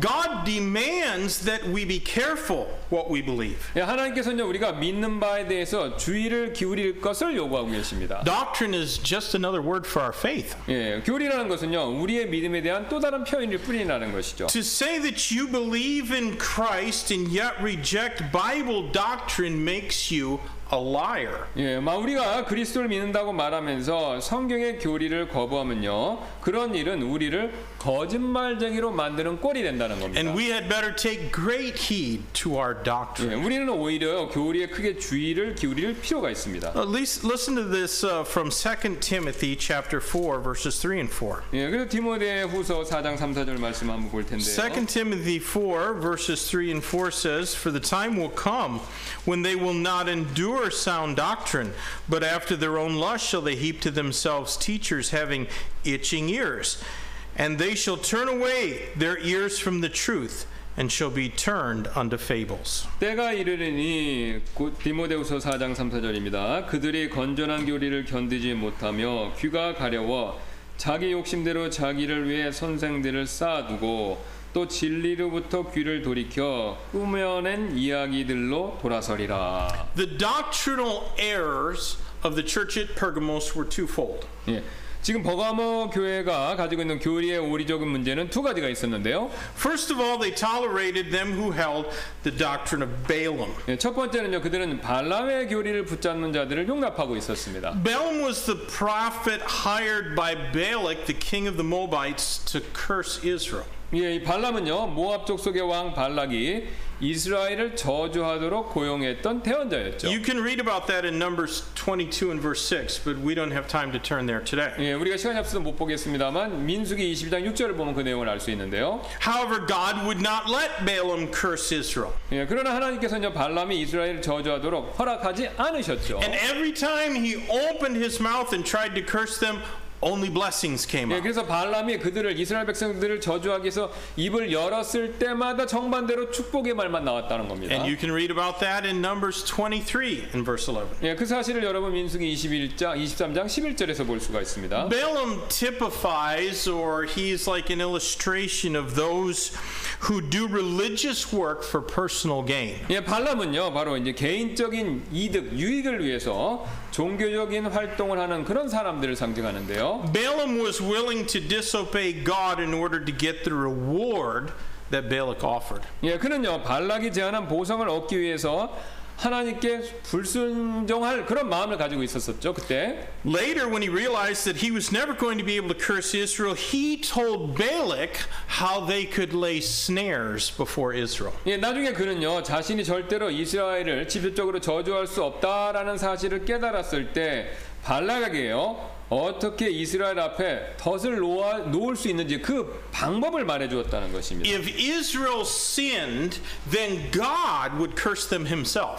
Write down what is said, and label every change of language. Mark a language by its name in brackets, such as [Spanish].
[English] God demands that we be careful what we believe. [Korean] 예, 하나님께서는요, 우리가 믿는 바에 대해서 주의를 기울일 것을 요구하고 계십니다. [English] Doctrine is just another word for our faith. [Korean] 예, 교리라는 것은요, 우리의 믿음에 대한 또 다른 표현일 뿐이라는 것이죠. [English] To say that you believe in Christ and yet reject Bible doctrine makes you a liar. [Korean] 예, 마 우리가 그리스도를 믿는다고 말하면서 성경의 교리를 거부하면요, 그런 일은 우리를 거짓말쟁이로 만드는 꼴이 된다는 겁니다. [English] And we had better take great heed to our doctrine. [Korean] 예, 우리는 오히려 교리에 크게 주의를 기울일 필요가 있습니다. [English] Listen to this from 2 Timothy chapter 4 verses 3 and 4. [Korean] 예, 그래서 디모데후서 4장 3, 4절 말씀 한번 볼 텐데요. [English] 2 Timothy 4 verses 3 and 4 says, "For the time will come when they will not endure sound doctrine, but after their own lust shall they heap to themselves teachers having itching ears." And they shall turn away their ears from the truth and shall be turned unto fables. [Korean] 때가 이르리니 디모데후서 4장 3, 4절입니다. 그들이 건전한 교리를 견디지 못하며 귀가 가려워 자기 욕심대로 자기를 위해 선생들을 쌓아두고 또 진리로부터 귀를 돌이켜 꾸며낸 이야기들로 돌아서리라. [English] The doctrinal errors of the church at Pergamos were twofold. [Korean] 예. 지금 버가모 교회가 가지고 있는 교리의 오리적인 문제는 두 가지가 있었는데요. [English] First of all, they tolerated them who held the doctrine of Balaam. [Korean] 예, 첫 번째는요, 그들은 발람의 교리를 붙잡는 자들을 용납하고 있었습니다. [English] Balaam was the prophet hired by Balak, the king of the Moabites, to curse Israel. [Korean] 예, 이 발람은요, 모압 족속의 왕 발락이 이스라엘을 저주하도록 고용했던 대언자였죠. [English] You can read about that in Numbers 22 and verse 6, but we don't have time to turn there today. [Korean] 예, 우리가 시간이 없어서 못 보겠습니다만 민수기 22장 6절을 보면 그 내용을 알 수 있는데요. [English] However, God would not let Balaam curse Israel. [Korean] 예, 그러나 하나님께서는 발람이 이스라엘을 저주하도록 허락하지 않으셨죠. [English] And every time he opened his mouth and tried to curse them, only blessings came out. [Korean] 예, 그래서 발람이 그들을 이스라엘 백성들을 저주하기 위해서 입을 열었을 때마다 정반대로 축복의 말만 나왔다는 겁니다. [English] And you can read about that in Numbers 23 in verse 11. [Korean] 예, 그 사실을 여러분 민수기 23장 11절에서 볼 수가 있습니다. [English] Balaam typifies, or he's like an illustration of those who do religious work for personal gain. [Korean] 예, 발람은요, 바로 이제 개인적인 이득, 유익을 위해서 종교적인 활동을 하는 그런 사람들을 상징하는데요. [English] Balaam was willing to disobey God in order to get the reward that Balak offered. [Korean] 예, 그는요 발락이 제안한 보상을 얻기 위해서 하나님께 불순종할 그런 마음을 가지고 있었었죠, 그때. [English] Later, when he realized that he was never going to be able to curse Israel, he told Balak how they could lay snares before Israel. [Korean] 예, 나중에 그는요 자신이 절대로 이스라엘을 직접적으로 저주할 수 없다라는 사실을 깨달았을 때 발락에게요 어떻게 이스라엘 앞에 덫을 놓을 수 있는지 그 방법을 말해 주었다는 것입니다. [English] If Israel sinned, then God would curse them himself.